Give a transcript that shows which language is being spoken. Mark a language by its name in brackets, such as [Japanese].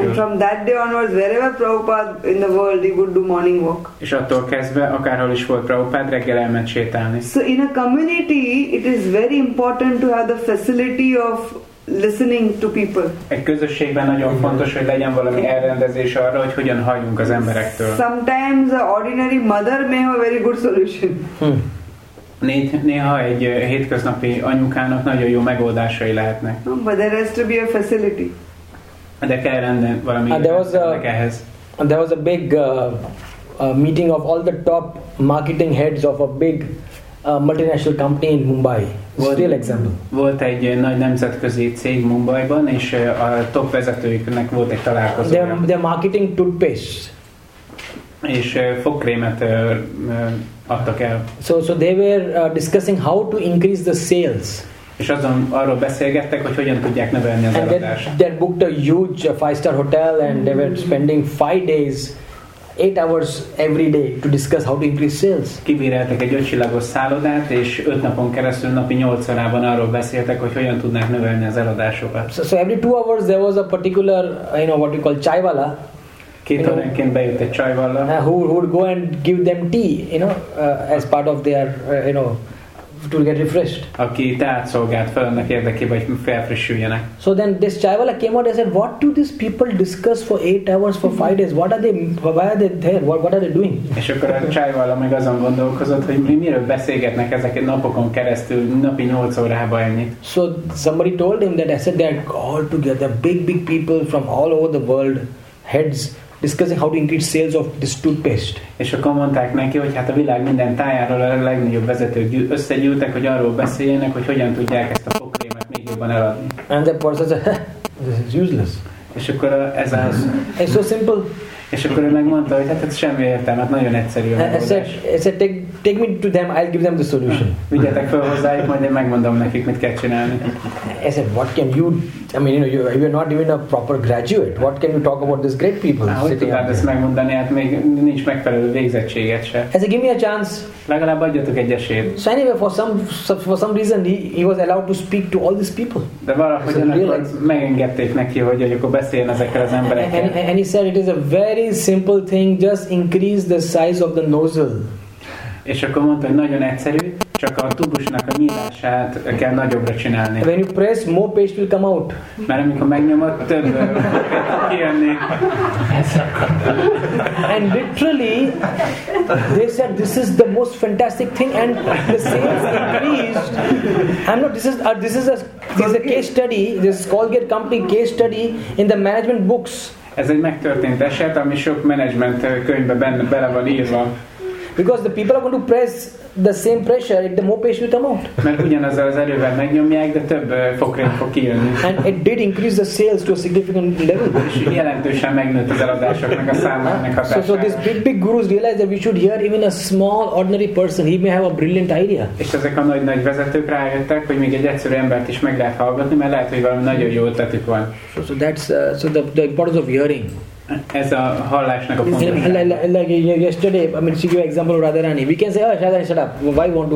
[English] And from that day onwards, wherever Prabhupada in the world, he would do morning walk. [Hungarian] És attól kezdve, akárhol is volt Prabhupada, reggel elment sétálni. [English] So in a community, it is very important to have the facility of listening to people. [Hungarian] Egy közösségben nagyon fontos, hogy legyen valami elrendezés arra, hogy hogyan halljunk az emberektől. [English] Sometimes an ordinary mother may have a very good solution. [Hungarian] Néha egy hétköznapi anyukának nagyon jó megoldásai lehetnek. [English] No, but there has to be a facility. [Hungarian] De kell rendben valami ehhez. [English] There was a big meeting of all the top marketing heads of a big multinational company in Mumbai. Real example. [Hungarian] Volt egy nagy nemzetközi cég Mumbaiban, és a top vezetőiknek volt egy találkozója. [English] The marketing toothpaste. [Hungarian] És fogkrémet adtak el. [English] So they were discussing how to increase the sales. [Hungarian] És azon arról beszélgettek, hogy hogyan tudják növelni az eladást. [English] They booked a huge five-star hotel and they were spending 5 days, 8 hours every day to discuss how to increase sales. [Hungarian] Kibéreltek egy 5 csillagos szállodát, és 5 napon keresztül napi 8 órában arról beszéltek, hogy hogyan tudnak növelni az eladásokat. [English] So every 2 hours there was a particular, you know, what you call chaiwala. [Hungarian] Két óránként bejött egy csajvalla. [English] Who would go and give them tea, you know, as part of their, you know, to get refreshed. [Hungarian] Aki teát szolgált fel annak érdekében, hogy felfrissüljenek. [English] So then this chaiwala came out and said, what do these people discuss for 8 hours, for 5 days? What are they, why are they there? What are they doing? [Hungarian] És akkor a chaiwala meg azon gondolkozott, hogy miről beszélgetnek ezek napokon keresztül, napi 8 órában ennyit. [English] So somebody told him that, I said, they're all together, big people from all over the world, heads, discussing how to increase sales of this toothpaste. [Hungarian] És akkor mondták neki, hogy hát a világ minden tájáról a legnagyobb vezetők összegyűltek, hogy arról beszéljenek, hogy hogyan tudják ezt a fogkrémet még jobban eladni. [English] And the person said, this is useless. [Hungarian] És akkor ez az. [English] It's so simple. [Hungarian] És akkor ő megmondta, hogy hát ez semmi értelme, hát nagyon egyszerű a megoldás. [English] I said, take me to them, I'll give them the solution. [Hungarian] Vigyetek fel hozzájuk, majd én megmondom nekik, mit kell csinálni. [English] I said, what can you, I mean, you know, you are not even a proper graduate. What can you talk about these great people? [Hungarian] Hogy tudnád ezt megmondani, hát még nincs megfelelő végzettséget se. [English] I said, give me a chance. [Hungarian] Legalább adjatok egy esélyt. [English] So anyway, for some reason, he was allowed to speak to all these people. [Hungarian] De valahogy megengedték neki, hogy akkor beszéljen ezekkel az emberekkel. [English] And he said, it is a very simple thing, just increase the size of the nozzle. [Hungarian] És akkor mondta, hogy nagyon egyszerű, csak a tubusnak a nyílását kell nagyobbra csinálni. [English] When you press, more paste will come out. [Hungarian] Mert amikor megnyomod, több kijönni. [English] And literally, they said, this is the most fantastic thing and the sales increased. I'm not, this is a case study, this is Colgate company case study in the management books. [Hungarian] Ez egy megtörtént eset, ami sok management könyvben bele van írva. [English] Because the people are going to press the same pressure, if the more paste will come out. [Hungarian] Mert ugyanazzal az erővel megnyomják, de több fogkrém fog kijönni. [English] And it did increase the sales to a significant level. [Hungarian] És jelentősen megnőtt az eladásoknak a számának hatására. [English] So these big gurus realized that we should hear even a small, ordinary person. He may have a brilliant idea. [Hungarian] És ezek a nagy vezetők rájöttek, hogy még egy egyszerű embert is meg lehet hallgatni, mert lehet, hogy valami nagyon jó ötletük van. [English] So that's the importance of hearing. [Hungarian] Ez a hallásnak a fontos. [English] Like yesterday, I mean, give you example of Radharani. We can say, oh, Radharani, shut up. Why want to?